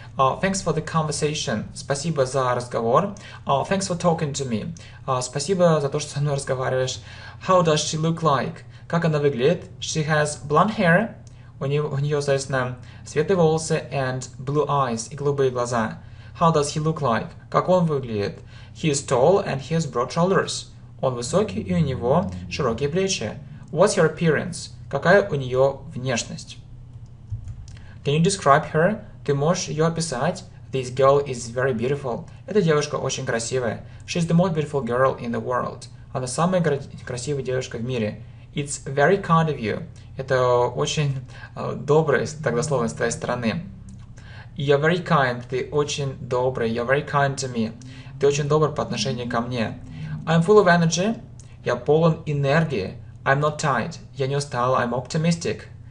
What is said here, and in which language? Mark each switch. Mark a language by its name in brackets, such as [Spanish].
[English] Thanks for the conversation. [Russian] Спасибо за разговор. [English] Thanks for talking to me. [Russian] Спасибо за то, что со мной разговариваешь. [English] How does she look like? [Russian] Как она выглядит? [English] She has blonde hair. [Russian] У нее, соответственно, светлые волосы [English] and blue eyes [Russian] и голубые глаза. [English] How does he look like? [Russian] Как он выглядит? [English] He is tall and he has broad shoulders. [Russian] Он высокий и у него широкие плечи. [English] What's her appearance? [Russian] Какая у нее внешность? [English] Can you describe her? [Russian] Ты можешь ее описать? [English] This girl is very beautiful. [Russian] Эта девушка очень красивая. [English] She's the most beautiful girl in the world. [Russian] Она самая красивая девушка в мире. [English] It's very kind of you. [Russian] Это очень добрый, так дословно, с твоей стороны. [English] You're very kind. [Russian] Ты очень добрый. [English] You're very kind to me. [Russian] Ты очень добр по отношению ко мне. [English] I'm full of energy. [Russian] Я полон энергии. [English] I'm not tired. [Russian] Я не устал. [English] I'm optimistic.